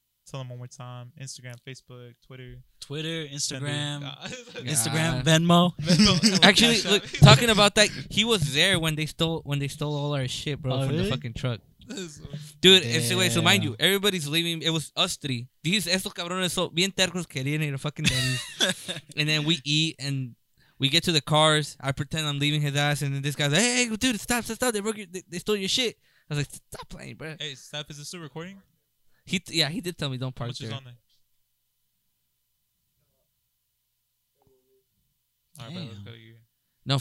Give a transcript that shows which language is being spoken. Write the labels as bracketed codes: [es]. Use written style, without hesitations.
[en] Tell them one more time. Instagram, Facebook, Twitter. Twitter, Instagram. Instagram, Venmo. Actually, look, talking about that, he was there when they stole all our shit, bro, from the fucking truck. Dude, so mind you, everybody's leaving. It was us three. [es] Estos cabrones son bien tercos, querían ir a fucking Denny's. [en] And then we eat and we get to the cars. I pretend I'm leaving his ass, and then this guy's like, "Hey, dude, stop! They stole your shit." I was like, "Stop playing, bro." Hey, stop! Is this still recording? He did tell me don't park there. Alright, let's go. You want to go?